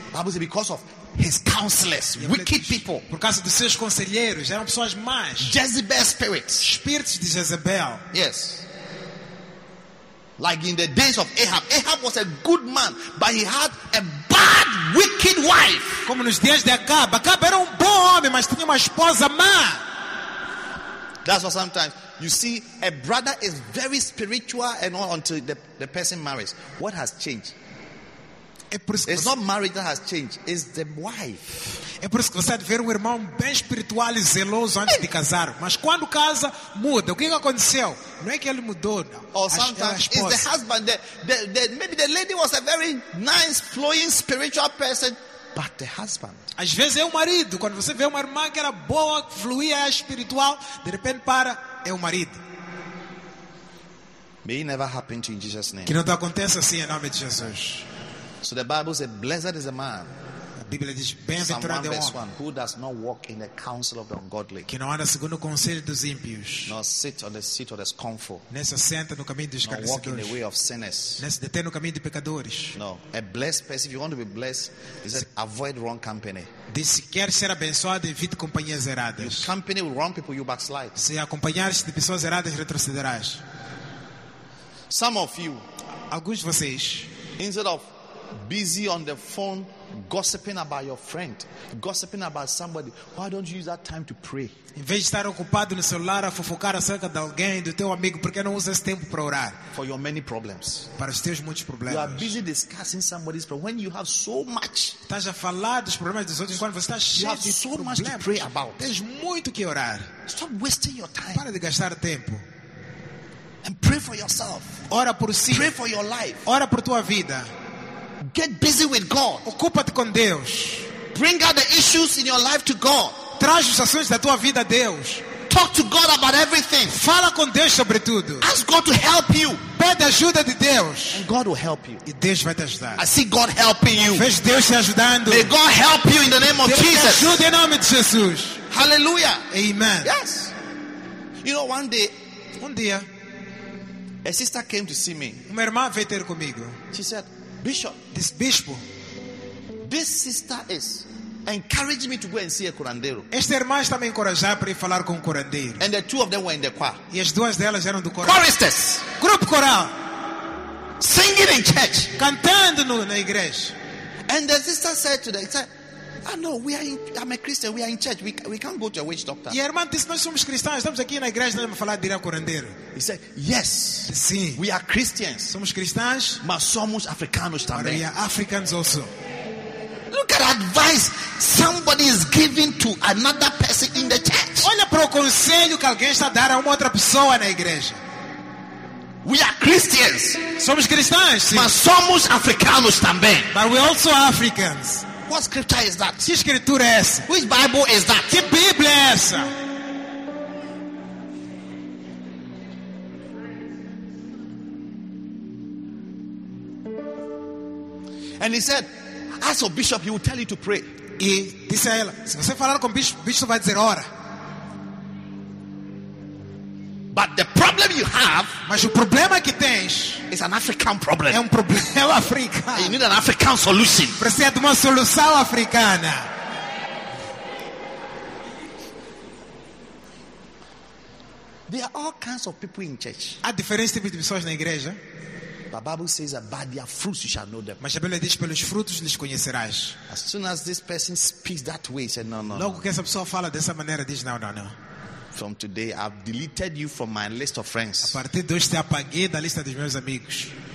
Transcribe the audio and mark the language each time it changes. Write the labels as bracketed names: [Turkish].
[English] Bible says because of his counselors, wicked people. [Portuguese] Por causa dos seus conselheiros, eram pessoas más. [English] Jezebel spirits. [Portuguese] Espíritos de Jezebel. [English] Yes. Like in the days of Ahab. Ahab was a good man, but he had a bad, wicked wife. [Portuguese] Como nos dias de Acabe. Acabe era bom homem, mas tinha uma esposa má. [English] That's why sometimes you see a brother is very spiritual and all until the person marries. What has changed? It's not marriage that has changed. It's the wife. [Portuguese] É por isso que você deve ver um irmão bem espiritual e zeloso antes de casar. Mas quando casa, muda. O que aconteceu? Não é que ele mudou. Não. [English] Or sometimes it's the husband. Maybe the lady was a very nice, flowing, spiritual person. But the husband. [Portuguese] Às vezes é o marido. Quando você vê uma irmã que era boa, que fluía, é espiritual, de repente para, é o marido. [English] May it never happen to you in Jesus' name. [Portuguese] Que não te aconteça assim em nome de Jesus. [English] So the Bible says, blessed is a man. [Portuguese] A Bíblia diz, bem-aventurado é o homem. [English] Who does not walk in the counsel of the ungodly. [Portuguese] Que não anda segundo o conselho dos ímpios. [English] Nor sit on the seat of the scornful. [Portuguese] Nem se senta no caminho dos escarnecedores. [English] Nor walk in the way of sinners. [Portuguese] Nem se detém no caminho de pecadores. [English] No. A blessed person, if you want to be blessed, is avoid wrong company. [Portuguese] Diz, se quer ser abençoado, evite companhias erradas. [English] You company with wrong people, you backslide. [Portuguese] Se acompanhares de pessoas erradas, retrocederás. [English] Some of you. [Portuguese] Alguns de vocês. [English] Instead of busy on the phone gossiping about your friend, gossiping about somebody, why don't you use that time to pray? [Portuguese] Em vez de estar ocupado no celular a fofocar acerca de alguém, do teu amigo, por que não usa esse tempo para orar? [English] For your many problems. [Portuguese] Para os teus muitos problemas. [English] You are busy discussing somebody's problem when you have so much. [Portuguese] Estás a falar dos problemas dos outros quando você está cheio de problemas. [English] You have so much to pray about. [Portuguese] Tens muito que orar. [English] Stop wasting your time. [Portuguese] Para de gastar tempo. [English] And pray for yourself. [Portuguese] Ora por si. [English] Pray for your life. [Portuguese] Ora por tua vida. [English] Get busy with God. [Portuguese] Ocupa-te com Deus. [English] Bring out the issues in your life to God. [Portuguese] Traz os assuntos da tua vida a Deus. [English] Talk to God about everything. [Portuguese] Fala com Deus sobre tudo. [English] Ask God to help you. [Portuguese] Pede ajuda de Deus. [English] And God will help you. [Portuguese] E Deus vai te ajudar. [English] I see God helping you. [Portuguese] Vejo Deus te ajudando. [English] May God help you in the name of Jesus. [Portuguese] Deus te ajude em nome de Jesus. [English] Hallelujah. Amen. Yes. You know, one day, a sister came to see me. [Portuguese] Uma irmã veio ter comigo. [English] She said, Bishop, this [Portuguese] bispo, [English] this sister is encouraging me to go and see a curandeiro. [Portuguese] Esta irmã está me encorajando para ir falar com o curandeiro. [English] And the two of them were in the choir. [Portuguese] E as duas delas eram do coral. [English] Choristers, [Portuguese] grupo coral, [English] singing in church, [Portuguese] cantando na igreja. [English] And the sister said to them, said, "Ah, no, we are. I'm a Christian. We are in church. We can't go to a witch doctor." [Portuguese] E a irmã disse, "Nós somos cristãos. Estamos aqui na igreja. Não vamos falar de ir ao curandeiro." [English] He said, "Yes, [Portuguese] sim. [English] We are Christians. [Portuguese] Somos cristãos, mas somos africanos também. [English] Maria, Africans also. Look at advice somebody is giving to another person in the church. [Portuguese] Olha para o conselho que alguém está dando a uma outra pessoa na igreja. [English] We are Christians. [Portuguese] Somos cristãos, sim. Mas somos africanos também. [English] But we also Africans." What scripture is that? [Portuguese] Que escritura é essa? [English] Which Bible is that? [Portuguese] Que Bíblia é essa? [English] And he said, "Ask your bishop, he will tell you to pray." [Portuguese] E disse a ela, se você falar com o bispo, o bispo vai dizer ora. [English] But the problem you have, [Portuguese] mas o problema que tens, [English] is an African problem. [Portuguese] É um problema africano. [English] You need an African solution. [Portuguese] Precisa de uma solução africana. [English] There are all kinds of people in church. [Portuguese] Há diferentes tipos de pessoas na igreja. [English] But the Bible says that by their fruits you shall know them. [Portuguese] Mas a Bíblia diz pelos frutos lhes conhecerás. [English] As soon as this person speaks that way, he said, no. [Portuguese] Logo que essa pessoa fala dessa maneira, diz não. [English] From today, I've deleted you from my list of friends. [Portuguese] A partir de hoje te apaguei da lista dos meus amigos.